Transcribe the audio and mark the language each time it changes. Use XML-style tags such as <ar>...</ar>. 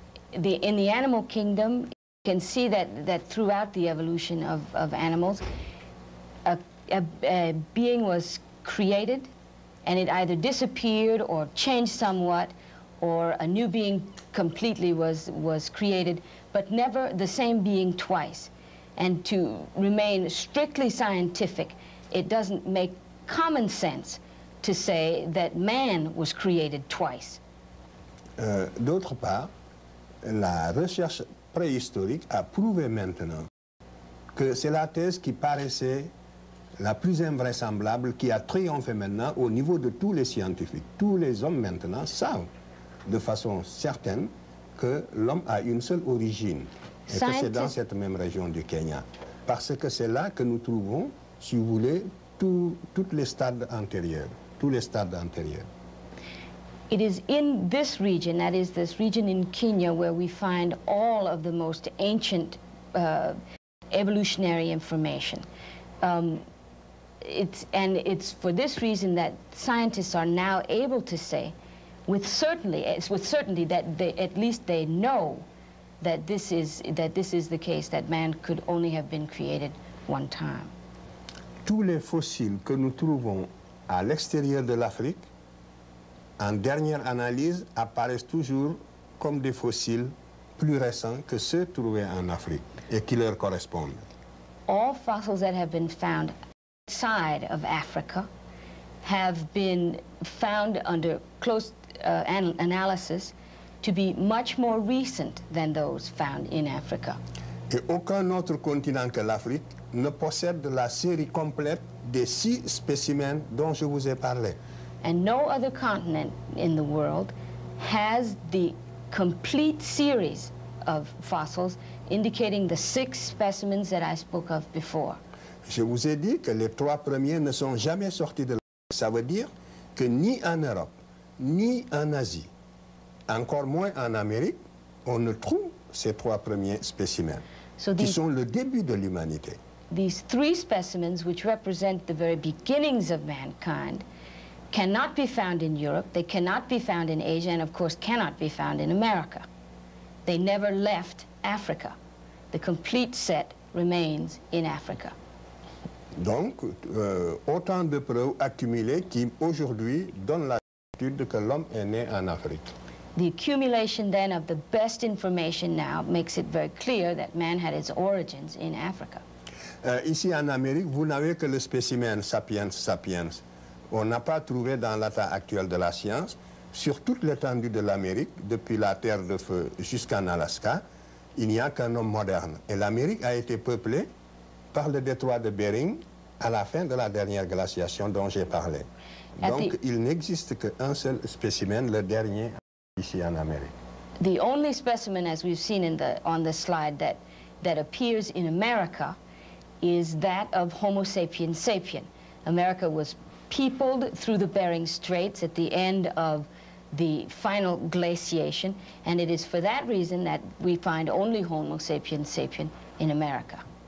<en>In the animal kingdom, you can see that throughout the evolution of animals, a being was created, and it either disappeared or changed somewhat, or a new being completely was created, but never the same being twice. And to remain strictly scientific, it doesn't make common sense to say that man was created twice.</en> <fr>D'autre part, la recherche préhistorique a prouvé maintenant que c'est la thèse qui paraissait la plus invraisemblable qui a triomphé maintenant au niveau de tous les scientifiques. Tous les hommes maintenant savent de façon certaine que l'homme a une seule origine et que c'est dans cette même région du Kenya. Parce que c'est là que nous trouvons, si vous voulez, toutes les stades antérieurs, tous les stades antérieurs.</fr> <en>It is in this region, that is this region in Kenya, where we find all of the most ancient evolutionary information. It's for this reason that scientists are now able to say with certainty that they, at least they know that this is the case, that man could only have been created one time.</en> <fr>Tous les fossiles que nous trouvons à l'extérieur de l'Afrique, en dernière analyse, apparaissent toujours comme des fossiles plus récents que ceux trouvés en Afrique et qui leur correspondent.</fr> <en>All fossils that have been found outside of Africa have been found under close analysis to be much more recent than those found in Africa.</en> <fr>Et aucun autre continent que l'Afrique ne possède la série complète des six spécimens dont je vous ai parlé.</fr> <en>And no other continent in the world has the complete series of fossils indicating the six specimens that I spoke of before.</en> <fr>Je vous ai dit que les trois premiers ne sont jamais sortis de l'Afrique. Ça veut dire que ni en Europe, ni en Asie, encore moins en Amérique, on ne trouve ces trois premiers spécimens qui sont le début de l'humanité.</fr> <en>These three specimens, which represent the very beginnings of mankind, cannot be found in Europe, they cannot be found in Asia, and of course cannot be found in America. They never left Africa. The complete set remains in Africa.</en> <fr>Donc, autant de preuves accumulées qui aujourd'hui donnent la l'étude que l'homme est né en Afrique.</fr> <en>The accumulation then of the best information now makes it very clear that man had his origins in Africa.</en> <fr>Ici en Amérique, vous n'avez que le spécimen sapiens sapiens. On n'a pas trouvé dans l'état actuel de la science, sur toute l'étendue de l'Amérique, depuis la Terre de Feu jusqu'en Alaska, il n'y a qu'un homme moderne. Et l'Amérique a été peuplée par le détroit de Bering à la fin de la dernière glaciation dont j'ai parlé. Donc, il n'existe qu'un seul spécimen, le dernier, ici en Amérique.</fr> <en>The only specimen, as we've seen in the, on the slide, that appears in America is that of Homo sapiens sapiens. America was peopled through the Bering Straits at the end of the final glaciation, and it is for that reason that we find only Homo sapiens sapiens in America.</en>